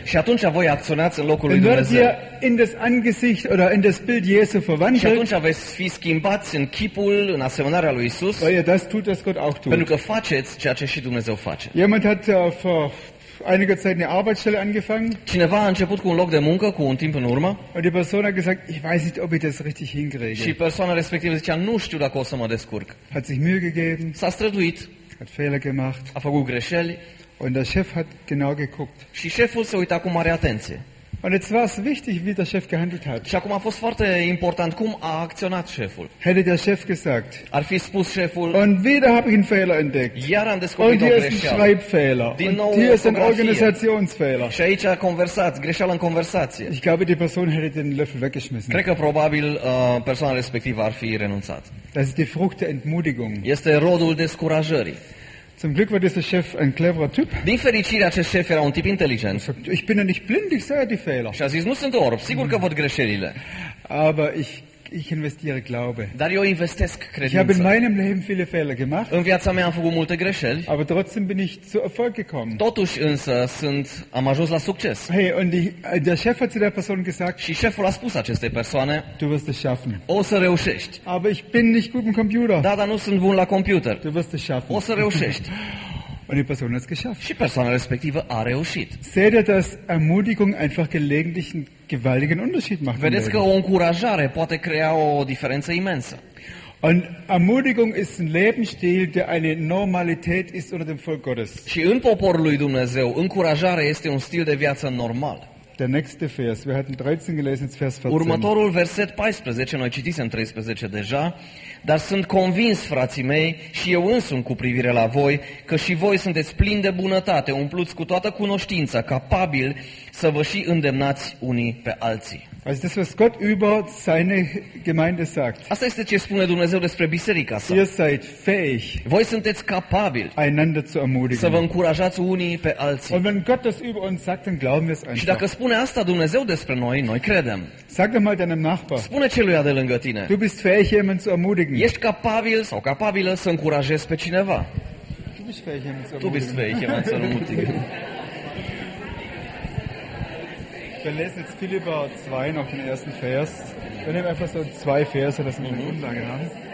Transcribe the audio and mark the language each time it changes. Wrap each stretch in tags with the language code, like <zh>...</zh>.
<ro>Și atunci voi acționați în locul lui Dumnezeu.</ro> <de>Dann werdet ihr in das Angesicht oder in das Bild Jesu verwandelt.</de> <ro>Și atunci veți fi schimbați în chipul, în asemănarea lui Isus.</ro> <de>Weil ihr das tut, das Gott auch tut.</de> <ro>Pentru că faceți ceea ce și Dumnezeu face.</ro> <de>Jemand hat vor einiger Zeit eine Arbeitsstelle angefangen.</de> <ro>Cineva a început cu un loc de muncă cu un timp în urmă.</ro> <de>Und die Person hat gesagt, ich weiß nicht, ob ich das richtig hinkriege.</de> <ro>Și persoana respectivă zicea, nu știu dacă o să mă descurc.</ro> <de>Hat sich Mühe gegeben.</de> <ro>S-a străduit.</ro> <de>Hat Fehler gemacht.</de> <ro>A făcut greșeli.</ro> <de>Und der Chef hat genau geguckt.</de> <ro>Și șeful s-a uitat cu mare atenție.</ro> <de>Und jetzt war es wichtig, wie der Chef gehandelt hat.</de> <ro>Și acum a fost foarte important cum a acționat șeful.</ro> <de>Hätte der Chef gesagt.</de> <ro>Ar fi spus șeful.</ro> <de>Und wieder habe ich einen Fehler entdeckt.</de> <ro>Iar am descoperit o greșeală.</ro> <de>Und hier ist ein Schreibfehler. Und hier ist ein Organisationsfehler.</de> <ro>Și aici a conversat, greșeală în conversație.</ro> <de>Ich glaube, die Person hätte den Löffel weggeschmissen.</de> <ro>Cred că probabil persoana respectivă ar fi renunțat.</ro> <de>Das ist die Frucht der Entmutigung.</de> <ro>Este rodul descurajării.</ro> <de>Zum Glück war dieser Chef ein cleverer Typ.</de> <ro>Din fericire, acest șef era un tip inteligent.</ro> <de>Ich bin ja nicht blind, ich sehe die Fehler.</de> <ro>Și a zis, nu sunt orb, sigur că văd greșelile.</ro> <de>Aber ich investiere Glaube.</de> <ro>Dar eu investesc credință.</ro> <de>Ich habe in meinem Leben viele Fehler gemacht.</de> <ro>În viața mea am făcut multe greșeli.</ro> <de>Aber trotzdem bin ich zu Erfolg gekommen.</de> <ro>Totuși însă am ajuns la succes.</ro> <de>Hey, und der Chef hat zu der Person gesagt.</de> <ro>Și șeful a spus acestei persoane.</ro> <de>Du wirst es schaffen.</de> <ro>O să reușești.</ro> <de>Aber ich bin nicht gut im Computer.</de> <ro>Da, dar nu sunt bun la computer.</ro> <de>Du wirst es schaffen.</de> <ro>O să reușești.</ro> <de>Und die Person hat es geschafft.</de> <ro>Și persoana respectivă a reușit.</ro> <de>Seht ihr, dass Ermutigung einfach gelegentlich einen gewaltigen Unterschied macht?</de> <ro>Vedeți că o încurajare poate crea o diferență imensă.</ro> <de>Und Ermutigung ist ein Lebensstil, der eine Normalität ist unter dem Volk Gottes.</de> <ro>Și în poporul lui Dumnezeu, încurajarea este un stil de viață normal.</ro> <de>Der nächste Vers, wir hatten 13 gelesen, jetzt Vers 14.</de> <ro>Următorul verset 14, noi citisem 13 deja. Dar sunt convins, frații mei, și eu însumi cu privire la voi, că și voi sunteți plini de bunătate, umpluți cu toată cunoștința, capabili să vă și îndemnați unii pe alții.</ro> <de>Also das, was Gott über seine Gemeinde sagt.</de> <ro>Asta este ce spune Dumnezeu despre biserica sa.</ro> <de>Ihr seid fähig.</de> <ro>Voi sunteți capabili.</ro> <de>Einander zu ermutigen.</de> <ro>Să vă încurajați unii pe alții.</ro> <de>Und wenn Gott das über uns sagt, dann glauben wir es einfach.</de> <ro>Și dacă spune asta Dumnezeu despre noi, noi credem.</ro> <de>Sag doch mal deinem Nachbar.</de> <ro>Spune celuia de lângă tine.</ro> <de>Du bist fähig, jemanden zu ermutigen.</de> <ro>Ești capabil sau capabilă să încurajezi pe cineva.</ro> <de>Du bist fähig, jemanden zu ermutigen. Wir lesen jetzt Philipper 2 noch den ersten Vers. Wir nehmen einfach so zwei Verse, das sind die Grundlage haben.</de>